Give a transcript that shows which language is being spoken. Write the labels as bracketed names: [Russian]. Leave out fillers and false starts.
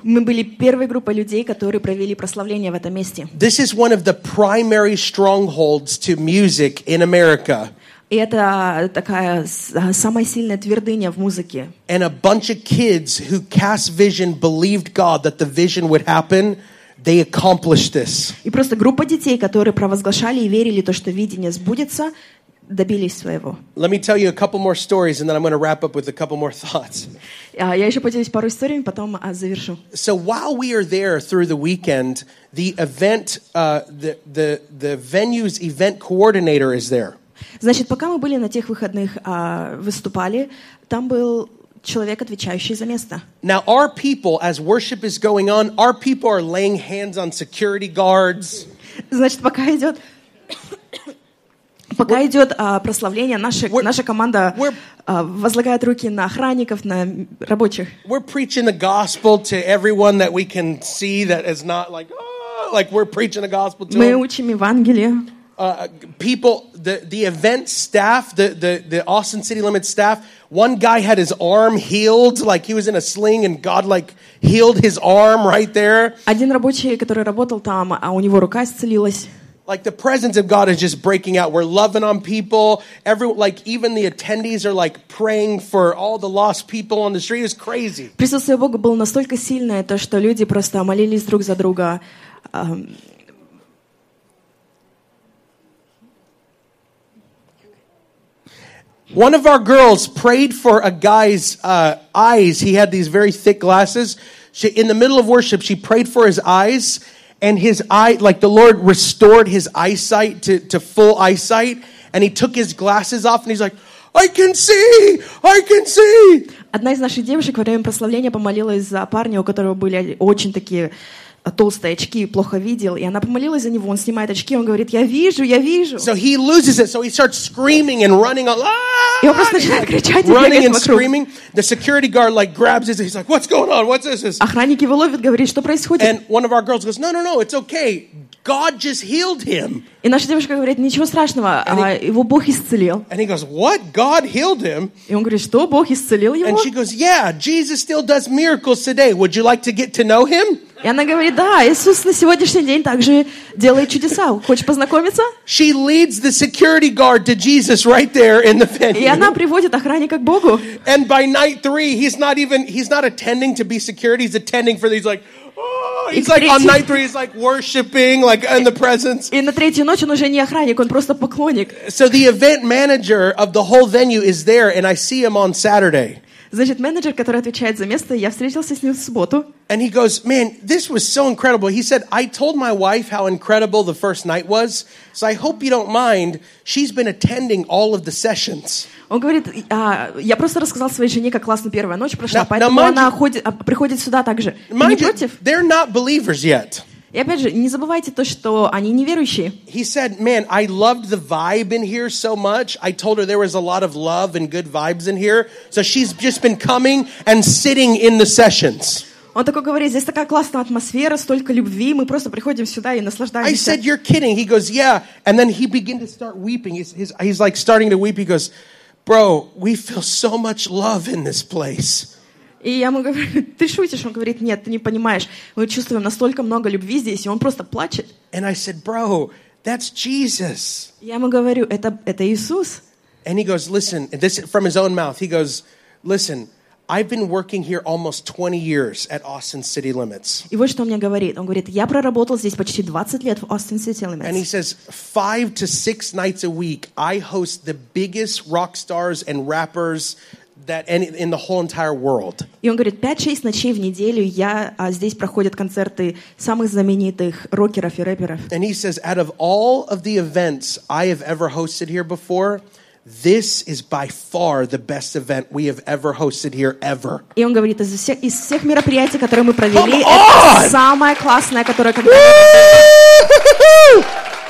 [Russian] Мы были первой группой людей, которые провели прославление в этом месте. [English] This is one of the primary strongholds to music in America. [Russian] И это такая самая сильная твердыня в музыке. [English] And a bunch of kids who cast vision believed God that the vision would happen. They accomplished this. [Russian] И просто группа детей, которые провозглашали и верили то, что видение сбудется, добились своего. [English] Let me tell you a couple more stories, and then I'm going to wrap up with a couple more thoughts. [Russian] Я еще поделюсь пару историями, потом завершу. [English] So while we are there through the weekend, the event, the venue's event coordinator is there. [Russian] Значит, пока мы были на тех выходных, выступали, там был человек, отвечающий за место. [English] Now our people, as worship is going on, our people are laying hands on security guards. [Russian] Значит, пока идет. Пока идет прославление, наша команда возлагает руки на охранников, на рабочих. [English] We're preaching the gospel to everyone that we can see that is not like, like we're preaching the gospel to them. [Russian] Мы учим Евангелие. [English] People, the event staff, the Austin City Limits staff, one guy had his arm healed, like he was in a sling, and God like healed his arm right there. [Russian] Один рабочий, который работал там, а у него рука исцелилась. [English] Like the presence of God is just breaking out. We're loving on people. Everyone, like even the attendees are like praying for all the lost people on the street. It's crazy. [Russian] Присутствие Бога было настолько сильное, то что люди просто молились друг за друга. [English] One of our girls prayed for a guy's eyes. He had these very thick glasses. She, in the middle of worship, she prayed for his eyes. And his eye, like the Lord restored his eyesight to full eyesight. And he took his glasses off and he's like, I can see! I can see! [Russian] Одна из наших девушек во время прославления помолилась за парня, у которого были очень такие толстые очки, плохо видел. И она помолилась за него, он снимает очки, он говорит, я вижу, я вижу. [English] So he loses it, so he starts screaming and running. [Russian] И он просто начинает кричать. [English] Running and screaming. The security guard like grabs his, he's like, what's going on? What's this? [Russian] Охранник его ловит, говорит, что происходит? [English] And one of our girls goes, no, it's okay. God just healed him. [Russian] И наша девушка говорит, ничего страшного, его Бог исцелил. [English] And he goes, what? God healed him? [Russian] И он говорит, что, Бог исцелил его? [English] And she goes, yeah, Jesus still does miracles today. Would you like to get to know him? [Russian] И она говорит, да, Иисус на сегодняшний день также делает чудеса. Хочешь познакомиться? [English] She leads the security guard to Jesus right there in the venue. [Russian] И она приводит охранника к Богу. [English] And by night three, he's not attending to be security, he's attending for these, like, he's like on night three, he's like worshiping, like in the presence. [Russian] И на третью ночь он уже не охранник, он просто поклонник. [English] So the event manager of the whole venue is there, and I see him on Saturday. [Russian] Значит, менеджер, который отвечает за место, я встретился с ним в субботу. [English] And he goes, man, this was so incredible. He said, I told my wife how incredible the first night was, so I hope you don't mind. She's been attending all of the sessions. [Russian] Он говорит, я просто рассказал своей жене, как классно первая ночь прошла, поэтому она приходит сюда также. Ты не против? [English] They're not believers yet. [Russian] И опять же, не забывайте то, что они неверующие. [English] He said, man, I loved the vibe in here so much. I told her there was a lot of love and good vibes in here. So she's just been coming and sitting in the sessions. [Russian] Он такой говорит, здесь такая классная атмосфера, столько любви, мы просто приходим сюда и наслаждаемся. [English] I said, you're kidding. He goes, yeah. And then he began to start weeping. He's like starting to weep. He goes, bro, we feel so much love in this place. [Russian] И я ему говорю, ты шутишь? Он говорит, нет, ты не понимаешь. Мы чувствуем настолько много любви здесь, и он просто плачет. [English] And I said, bro, that's Jesus. [Russian] Я ему говорю, это Иисус. [English] And he goes, listen, this from his own mouth. He goes, listen, I've been working here almost 20 years at Austin City Limits. [Russian] И вот что он мне говорит. Он говорит, я проработал здесь почти 20 лет в Austin City Limits. [English] And he says, 5 to 6 nights a week, I host the biggest rock stars and rappers that in the whole entire world. [Russian] И он говорит, 5-6 ночей в неделю я здесь проходят концерты самых знаменитых рокеров и рэперов. [English] And he says, out of all of the events I have ever hosted here before, this is by far the best event we have ever hosted here ever. [Russian] И он говорит, из всех мероприятий, которые мы провели, это самое классное, которое когда-либо.